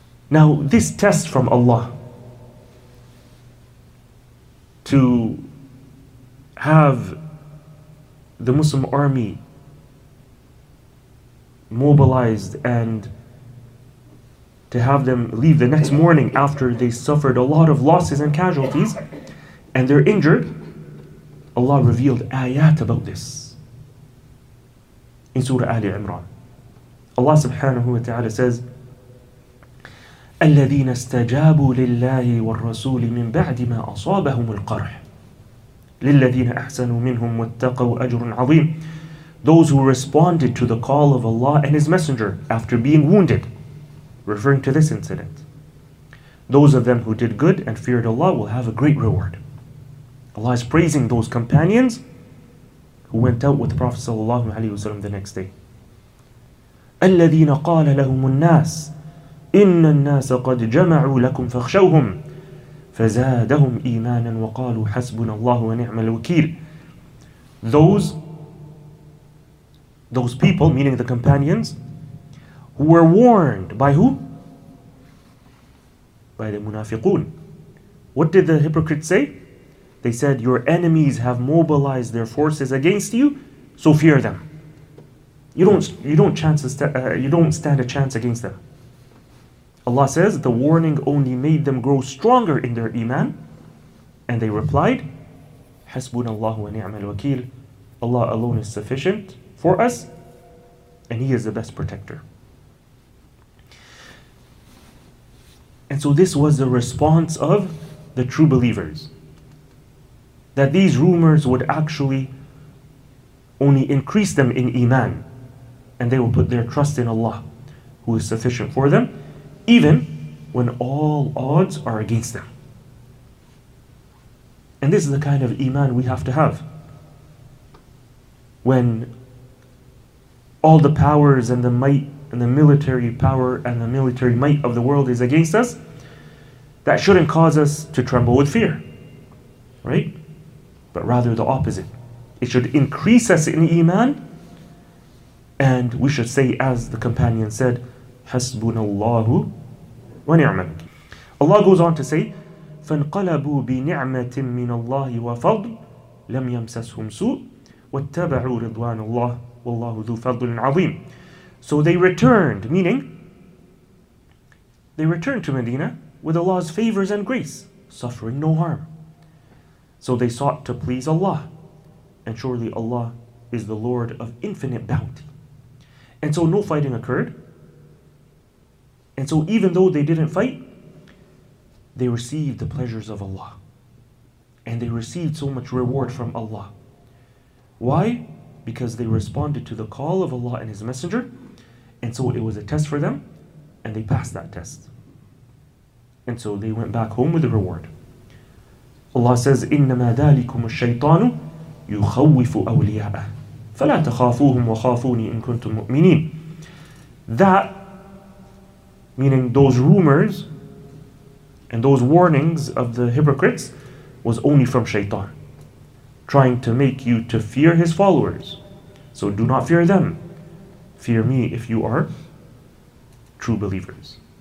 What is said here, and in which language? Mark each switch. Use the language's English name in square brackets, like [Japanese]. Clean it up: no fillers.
[English] Now, this test from Allah to have the Muslim army mobilized and to have them leave the next morning after they suffered a lot of losses and casualties, and they're injured, Allah revealed ayat about this in Surah Ali Imran. Allah subhanahu wa ta'ala says, [Arabic] الَّذِينَ اسْتَجَابُوا لِلَّهِ وَالرَّسُولِ مِنْ بَعْدِ مَا أَصَابَهُمُ الْقَرْحِ لِلَّذِينَ أَحْسَنُوا مِنْهُمْ وَاتَّقَوْا أَجْرٌ عَظِيمٌ. [English] Those who responded to the call of Allah and His Messenger after being wounded, referring to this incident. Those of them who did good and feared Allah will have a great reward. Allah is praising those companions who went out with the Prophet sallallahu alaihi wasallam the next day. [Arabic] الَّذِينَ قَالَ لَهُمُ النَّاسِ إِنَّ النَّاسَ قَدْ جَمَعُوا لَكُمْ فَخْشَوْهُمْ فَزَادَهُمْ إِيمَانًا وَقَالُوا حَسْبُنَ اللَّهُ وَنِعْمَ الْوَكِيلُ. [English] Those people, meaning the companions, who were warned by who? By the munafiqun. What did the hypocrites say? They said, your enemies have mobilized their forces against you, so fear them. You don't stand a chance against them. Allah says, the warning only made them grow stronger in their iman. And they replied, [Arabic] حَسْبُنَ اللَّهُ وَنِعْمَ الْوَكِيلُ. [English] Allah alone is sufficient for us, and He is the best protector. And so this was the response of the true believers, that these rumors would actually only increase them in iman, and they will put their trust in Allah, who is sufficient for them, even when all odds are against them. And this is the kind of iman we have to have. When all the powers and the might and the military power and the military might of the world is against us, that shouldn't cause us to tremble with fear, right? But rather the opposite. It should increase us in iman, and we should say, as the companion said, [Arabic] حَسْبُنَ اللَّهُ وَنِعْمَةً. [English] Allah goes on to say, [Arabic] فَانْقَلَبُوا بِنِعْمَةٍ مِّنَ اللَّهِ وَفَضْلٍ لَمْ يَمْسَسْهُمْ سُوءٍ وَاتَّبَعُوا رِضْوَانَ اللَّهِ وَاللَّهُ ذُو فَضْلٍ عَظِيمٍ. [English] So they returned, meaning, they returned to Medina with Allah's favors and grace, suffering no harm. So they sought to please Allah, and surely Allah is the Lord of infinite bounty. And so no fighting occurred. And so even though they didn't fight, they received the pleasures of Allah. And they received so much reward from Allah. Why? Because they responded to the call of Allah and His Messenger. And so it was a test for them, and they passed that test. And so they went back home with the reward. Allah says, [Arabic] إِنَّمَا ذَلِكُمُ الشَّيْطَانُ يُخَوِّفُ أَوْلِيَاءَهُ فَلَا تَخَافُوهُمْ وَخَافُونِي إِن كُنْتُمْ مُؤْمِنِينَ. [English] That, meaning those rumors and those warnings of the hypocrites, was only from Shaitan, trying to make you to fear his followers. So do not fear them. Fear me if you are true believers.